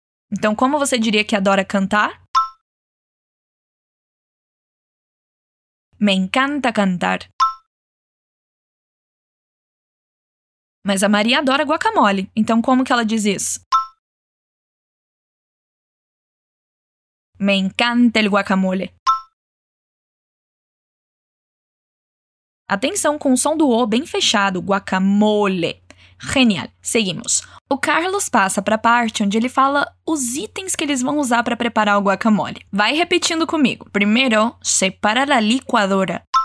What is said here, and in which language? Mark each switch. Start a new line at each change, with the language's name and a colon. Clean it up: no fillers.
Portuguese: Então, como você diria que adora cantar?
Spanish: Me encanta cantar.
Portuguese: Mas a Maria adora guacamole. Então, como que ela diz isso?
Spanish: Me encanta el guacamole.
Portuguese: Atenção com o som do O bem fechado, guacamole. Genial. Seguimos. O Carlos passa para a parte onde ele fala os itens que eles vão usar para preparar o guacamole. Vai repetindo comigo. Primeiro,
Spanish: separa la licuadora.